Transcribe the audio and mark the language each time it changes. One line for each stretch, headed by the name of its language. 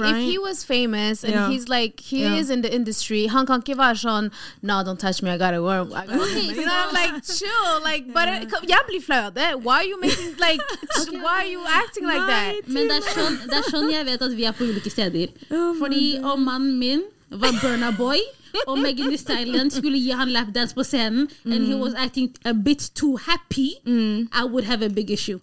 English: Right? If he was famous and he's like, he is in the industry,
Norwegian: han kan ikke være sånn,
English: no, don't touch me, I gotta work. You know, I'm like, chill, like, but
Norwegian: jeg blir flau av det.
English: Why are you making, like, why are you acting like that?
Norwegian: Men det sånn jeg vet at vi på ulike steder. Fordi om mannen min var Burna Boy, og Megan Thee Stallion skulle gi han lapdance på scenen,
English: and he was acting a bit too happy, I would have a big issue.